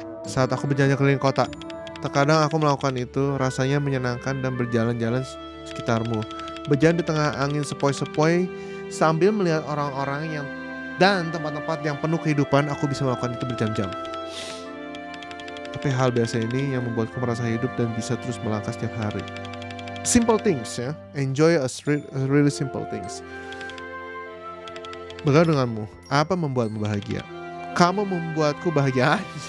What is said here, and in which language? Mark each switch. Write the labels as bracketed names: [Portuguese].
[Indonesian] Saat aku berjalan keliling kota, terkadang aku melakukan itu, rasanya menyenangkan dan berjalan-jalan sekitarmu. Berjalan di tengah angin sepoi-sepoi, sambil melihat orang-orang yang dan tempat-tempat yang penuh kehidupan, aku bisa melakukan itu berjam-jam. Tapi hal biasa ini yang membuatku merasa hidup dan bisa terus melangkah setiap hari. [English] Simple things ya, enjoy a really simple things. [Indonesian] Bagaimana denganmu? Apa membuatmu bahagia? Kamu membuatku bahagia.